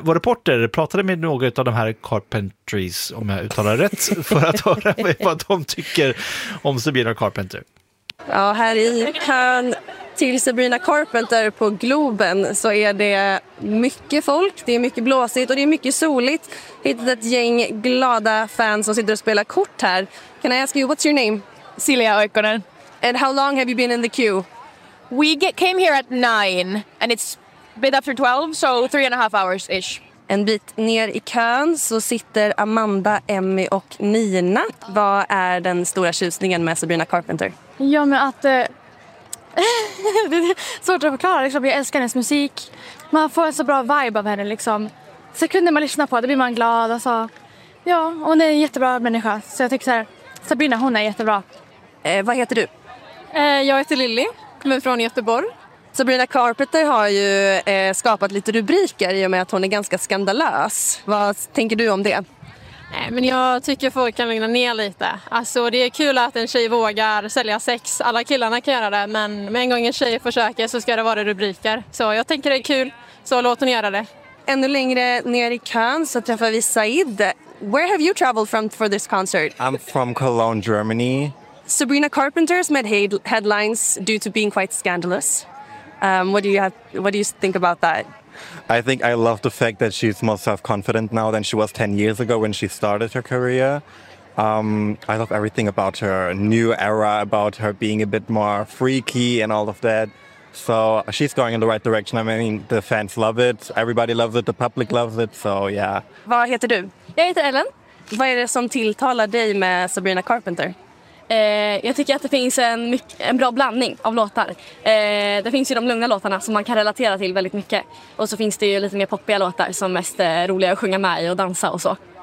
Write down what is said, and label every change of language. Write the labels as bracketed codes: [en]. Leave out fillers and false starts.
[sv] Vår reporter pratade med några av de här Carpentries, om jag uttalar rätt, för att höra vad de tycker om Sabrina Carpenter. Ja, här i kan... Till Sabrina Carpenter på Globen så är det mycket folk, det är mycket blåsigt och det är mycket soligt. Hittat ett gäng glada fans som sitter och spelar kort här. [en] Can I ask you, what's your name? Silja Oikonen. And how long have you been in the queue? We came here at 9 and it's a bit after 12, so 3.5 hours-ish. [sv] En bit ner i kön så sitter Amanda, Emmy och Nina. Vad är den stora tjusningen med Sabrina Carpenter? Ja, men att... Det är svårt att förklara, liksom. Jag älskar hennes musik. Man får en så bra vibe av henne liksom. Sekunder man lyssnar på, då blir man glad, alltså. Ja, hon är en jättebra människa. Så jag tycker så här, Sabrina, hon är jättebra. Vad heter du? Jag heter Lilly, kommer från Göteborg. Sabrina Carpenter har ju skapat lite rubriker i och med att hon är ganska skandalös. Vad tänker du om det? Nej, men jag tycker folk kan lugna ner lite. Alltså, det är kul att en tjej vågar sälja sex. Alla killarna kan göra det, men med en gång en tjej försöker så ska det vara rubriker. Så jag tänker det är kul, så låt hon göra det. Ännu längre ner i kön så träffar vi Said. [en] Where have you traveled from for this concert? I'm from Cologne, Germany. Sabrina Carpenter's made headlines due to being quite scandalous. What do you think about that? I think I love the fact that she's more self-confident now than she was 10 years ago when she started her career. I love everything about her new era, about her being a bit more freaky and all of that. So she's going in the right direction. I mean, the fans love it. Everybody loves it. The public loves it. So, yeah. [sv] Vad heter du? Jag heter Ellen. Vad är det som tilltalar dig med Sabrina Carpenter? Jag tycker att det finns en bra blandning av låtar. Det finns ju de lugna låtarna som man kan relatera till väldigt mycket. Och så finns det ju lite mer poppiga låtar som mest är roliga att sjunga med i och dansa och så.